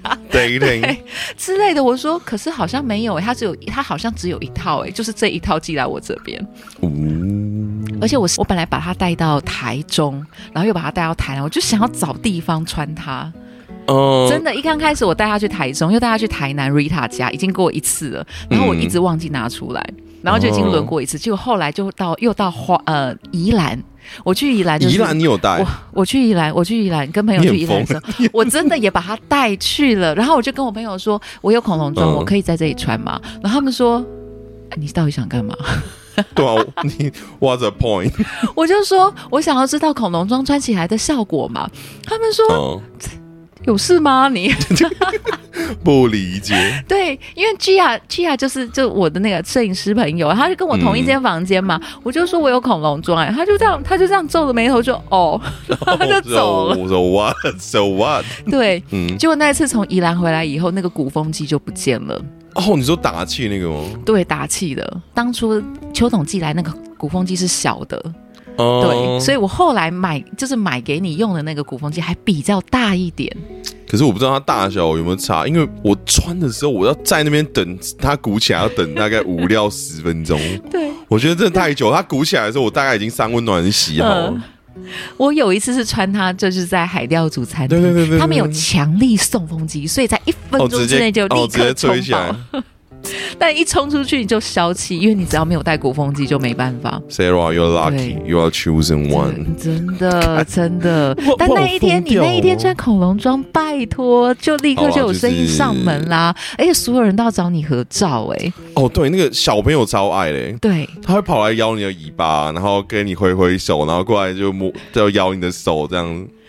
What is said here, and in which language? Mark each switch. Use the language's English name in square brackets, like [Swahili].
[Chinese] dating 之类的，我说可是好像没有、欸、他好像只有一套、欸、就是这一套寄来我这边、嗯、而且我本来把他带到台中，然后又把他带到台南，我就想要找地方穿他、真的一刚开始我带他去台中，又带他去台南 Rita 家，已经过一次了，然后我一直忘记拿出来、嗯、然后就已经轮过一次、结果后来就到又到宜兰，我去宜兰、就是，宜兰你有带？我去宜兰，跟朋友去宜兰的时候，我真的也把他带去了。然后我就跟我朋友说，我有恐龙装、嗯，我可以在这里穿吗？然后他们说，你到底想干嘛？对啊，你 [English] What's the point？ [Chinese] 我就说我想要知道恐龙装穿起来的效果嘛。他们说、嗯、有事吗？你不理解。对，因为 Gia 就是就我的那个摄影师朋友，他就跟我同一间房间嘛、嗯，我就说我有恐龙妆、欸，他就这样皱着眉头就哦，然后他就走了。 [English] So what? So what? [Chinese] 对，嗯，结果那一次从宜兰回来以后，那个鼓风机就不见了。哦、oh, ，你说打气那个吗？对，打气的。当初邱总寄来那个鼓风机是小的， 对，所以我后来买就是买给你用的那个鼓风机还比较大一点。可是我不知道它大小有没有差，因为我穿的时候我要在那边等它鼓起来，要等大概五六十分钟。对，我觉得真的太久。它鼓起来的时候，我大概已经三温暖洗好了。我有一次是穿它，就是在海钓组餐厅，他们有强力送风机，所以在一分钟之内就立刻冲爆、哦直接吹起来。但一冲出去你就消气，因为你只要没有带鼓风机就没办法。 [English] Sarah, you're lucky, you are chosen one. [Chinese] 真的，真的。但那一天，你那一天穿恐龙装，拜托，就立刻就有生意上门啦。而且所有人都要找你合照、欸，哎。哦，对，那个小朋友超爱嘞。对，他会跑来咬你的尾巴，然后跟你挥挥手，然后过来就摸，就咬你的手这样。